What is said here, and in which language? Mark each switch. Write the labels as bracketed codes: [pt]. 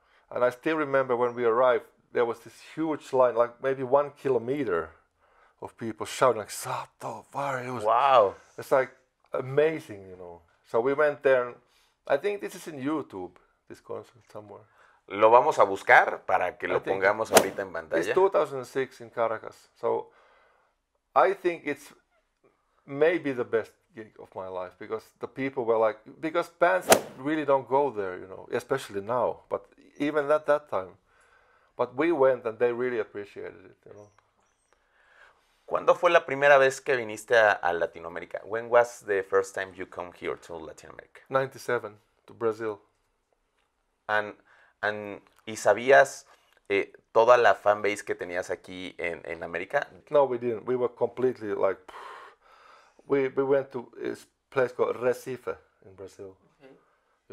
[en] And I still remember when we arrived, there was this huge line, like maybe 1 kilometer of people shouting like, Stratovarius. Wow. It's like amazing, you know. So we went there. I think this is in YouTube, this concert somewhere. [es] Lo vamos a buscar para que lo pongamos ahorita en pantalla. [en] It's 2006 in Caracas. So I think it's maybe the best gig of my life because the people were like, because bands really don't go there, you know, especially now, but even at that time. But we went and they really appreciated it, you know. [es] ¿Cuándo fue la primera vez que viniste a Latinoamérica? [en] When was the first time you come here to Latin America? 97, to Brazil. [es] And ¿y sabías toda la fan base que tenías aquí en América? [en] No, we didn't. We were completely like, we went to this place called Recife in Brazil. Mm-hmm.